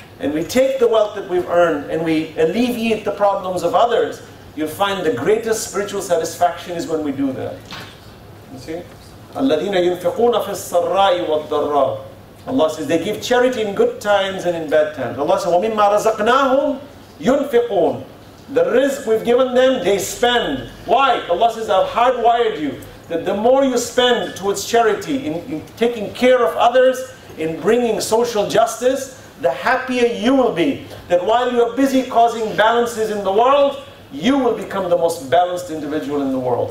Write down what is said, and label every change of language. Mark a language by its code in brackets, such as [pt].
[en] and we take the wealth that we've earned and we alleviate the problems of others, you'll find the greatest spiritual satisfaction is when we do that. You see? [ar] الَّذِينَ يُنْفِقُونَ فِي السَّرَّاءِ وَالضَّرَّاءِ. [en] Allah says, they give charity in good times and in bad times. Allah says, [ar] وَمِمَّا رَزَقْنَاهُمْ يُنْفِقُونَ. [en] The risk we've given them, they spend. Why? Allah says, I've hardwired you. That the more you spend towards charity, in taking care of others, in bringing social justice, the happier you will be. That while you are busy causing balances in the world, you will become the most balanced individual in the world.